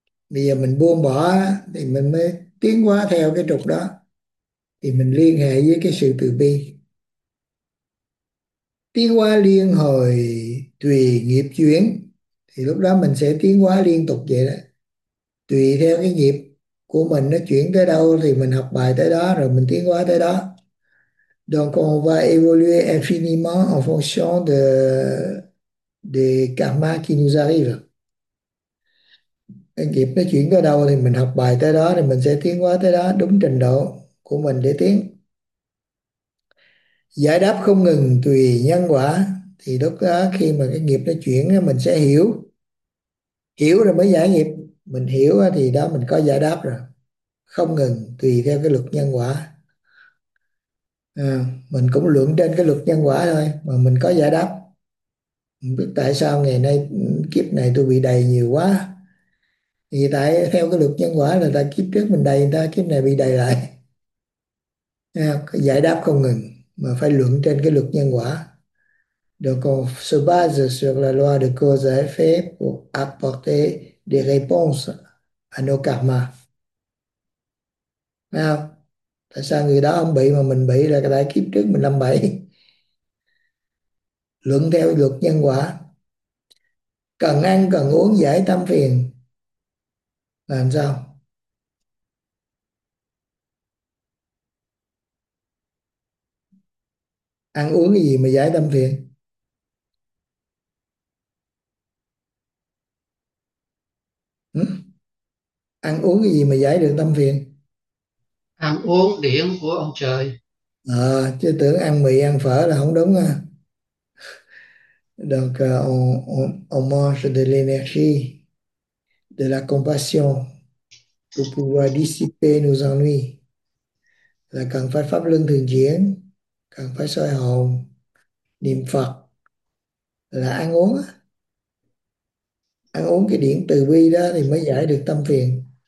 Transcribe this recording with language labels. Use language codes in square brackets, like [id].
[vi] Bây giờ mình buông bỏ thì mình mới tiến hóa theo cái trục đó, thì mình liên hệ với cái sự từ bi, tiến hóa liên hồi tùy nghiệp chuyển, thì lúc đó mình sẽ tiến hóa liên tục vậy đó, tùy theo cái nghiệp của mình nó chuyển tới đâu thì mình học bài tới đó rồi mình tiến hóa tới đó. [fr] Donc on va évoluer infiniment en fonction de des karmas qui nous arrivent. [vi] Cái nghiệp nó chuyển tới đâu thì mình học bài tới đó thì mình sẽ tiến hóa tới đó đúng trình độ của mình để tiến. Giải đáp không ngừng tùy nhân quả, thì lúc đó khi mà cái nghiệp nó chuyển mình sẽ hiểu. Hiểu rồi mới giải nghiệp. Mình hiểu thì đó mình có giải đáp rồi. Không ngừng tùy theo cái luật nhân quả. À, mình cũng luận trên cái luật nhân quả thôi mà mình có giải đáp. Không biết tại sao ngày nay kiếp này tôi bị đầy nhiều quá. Thì tại theo cái luật nhân quả là tại kiếp trước mình đầy người ta, kiếp này bị đầy lại. À, giải đáp không ngừng mà phải luận trên cái luật nhân quả. [fr] Donc on se base sur la loi de cause à effet pour apporter des réponses à nos karmas. [vi] Thấy không? Tại sao người đó không bị mà mình bị là tại kiếp trước mình làm bậy. Luận theo luật nhân quả. Cần ăn, cần uống giải tâm phiền. Làm sao? Ăn uống cái gì mà giải tâm phiền? Ăn uống cái gì mà giải được tâm phiền? Ăn uống điển của ông trời. À, chứ tưởng ăn mì ăn phở là không đúng à. [fr] Donc, on mange de l'énergie, de la compassion, pour pouvoir dissiper nos ennuis. [vi] Là cần phải pháp luân thường chuyển, cần phải soi hồn, niệm Phật, là ăn uống á. Ăn uống cái điển từ bi đó thì mới giải được tâm phiền.